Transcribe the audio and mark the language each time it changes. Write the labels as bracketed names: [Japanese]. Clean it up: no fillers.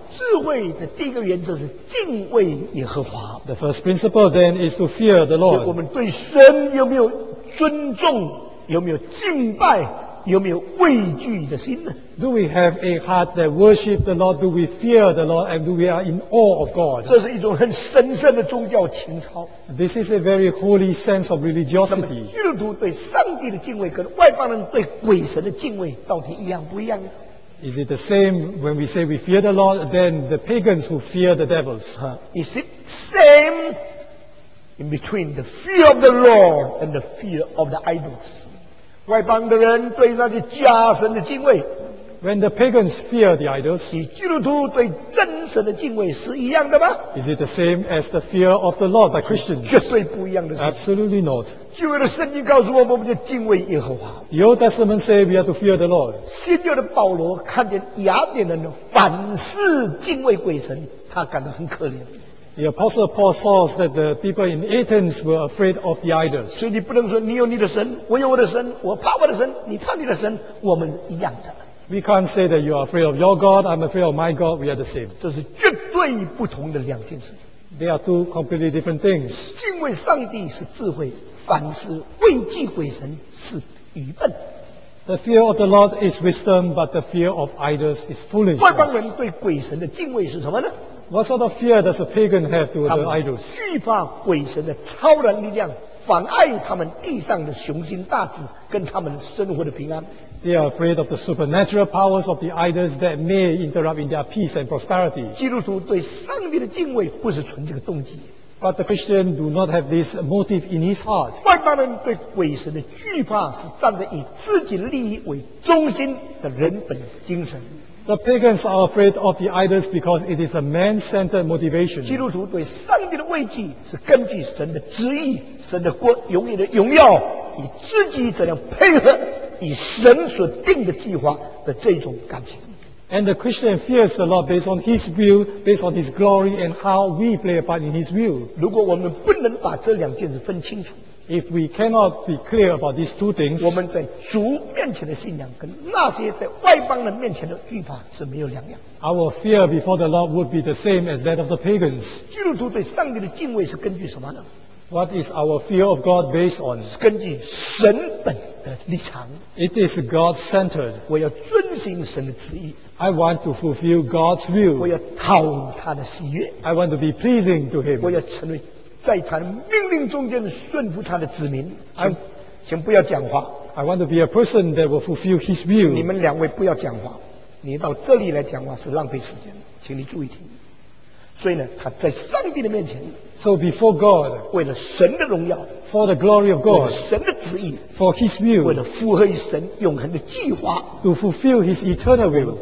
[Chinese] 智慧的第一个原则是敬畏耶和华。 [English] The first principle then is to fear the Lord. [Chinese] 所以我们对神有没有尊重，有没有敬拜，有没有畏惧的心呢？ [English] Do we have a heart that worship the Lord? Do we fear the Lord? And do we are in awe of God? [Chinese] 这是一种很神圣的宗教情操。 [English] This is a very holy sense of religiosity. [Chinese] 那么基督徒对上帝的敬畏跟外邦人对鬼神的敬畏到底一样不一样呢？ [English] Is it the same when we say we fear the Lord than the pagans who fear the devils? Is it same in between the fear of the Lord and the fear of the idols? [Chinese] 外邦的人对那些假神的敬畏 [English] ，When the pagans fear the idols， [Chinese] 与基督徒对真神的敬畏是一样的吗 [English] ？Is it the same as the fear of the Lord by Christians？ [Chinese] 绝对不一样的事。 [English] Absolutely not。 [Chinese] 旧约的圣经告诉我们，我们就敬畏耶和华。 [English] The Old Testament says we are to fear the Lord。 [Chinese] 新约的保罗看见雅典人反是敬畏鬼神，他感到很可怜。 [English] The Apostle Paul saw that the people in Athens were afraid of the idols. [Chinese] 所以你不能说你有你的神，我有我的神，我怕我的神，你怕你的神，我们一样的。 [English] We can't say that you are afraid of your God, I'm afraid of my God, we are the same. [Chinese] 这是绝对不同的两件事。 [English] They are two completely different things. [Chinese] 敬畏上帝是智慧，反是畏惧鬼神是愚笨。 [English] The fear of the Lord is wisdom, but the fear of idols is foolish. [Chinese] 外邦人对鬼神的敬畏是什么呢？ [English] What sort of fear does a pagan have to the idols? [Chinese] 惧怕鬼神的超然力量，妨碍他们地上的雄心大志跟他们生活的平安。 [English] They are afraid of the supernatural powers of the idols that may interrupt in their peace and prosperity. [Chinese] 基督徒对上帝的敬畏不是纯这个动机。 [English] But the Christian do not have this motive in his heart. [Chinese] 外邦人对鬼神的惧怕是站在以自己利益为中心的人本精神。 [English] The pagans are afraid of the idols because it is a man-centered motivation. [Chinese] 基督徒对上帝的畏惧是根据神的旨意、神的国、永远的荣耀，以自己怎样配合以神所定的计划的这种感情。 [English] And the Christian fears the Lord based on His will, based on His glory, and how we play a part in His will. [Chinese] 如果我们不能把这两件事分清楚。 [English] If we cannot be clear about these two things, [Chinese] 我们在主面前的信仰跟那些在外邦人面前的惧怕是没有两样。 [English] Our fear before the Lord would be the same as that of the pagans. [Chinese] 基督徒对上帝的敬畏是根据什么呢？ [English] What is our fear of God based on? [Chinese] 是根据神本的立场。 [English] It is God-centered. [Chinese] 我要遵行神的旨意。 [English] I want to fulfill God's will. [Chinese] 我要讨他的喜悦。 [English] I want to be pleasing to Him. [Chinese] 我要成为在他的命令中间顺服他的子民。请不要讲话。 [English] I want to be a person that will fulfill his will. [Chinese] 你们两位不要讲话，你到这里来讲话是浪费时间，请你注意听。所以呢，他在上帝的面前 [English] ，So before God， [Chinese] 为了神的荣耀 [English] ，For the glory of God， [Chinese] 为了神的旨意 [English] ，For His will， [Chinese] 为了符合神永恒的计划 [English] ，To fulfill His eternal will，